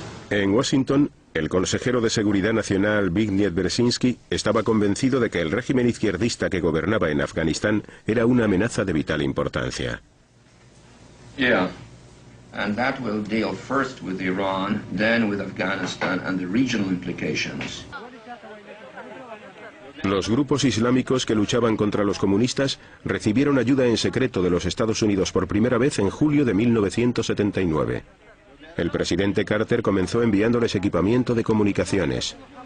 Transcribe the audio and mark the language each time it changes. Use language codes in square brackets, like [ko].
[es] En Washington, el consejero de Seguridad Nacional, Zbigniew Brzezinski, estaba convencido de que el régimen izquierdista que gobernaba en Afganistán era una amenaza de vital importancia. [en] Yeah. And that will deal first with Iran, then with Afghanistan and the regional implications. [es] Los grupos islámicos que luchaban contra los comunistas recibieron ayuda en secreto de los Estados Unidos por primera vez en julio de 1979. El presidente Carter comenzó enviándoles equipamiento de comunicaciones.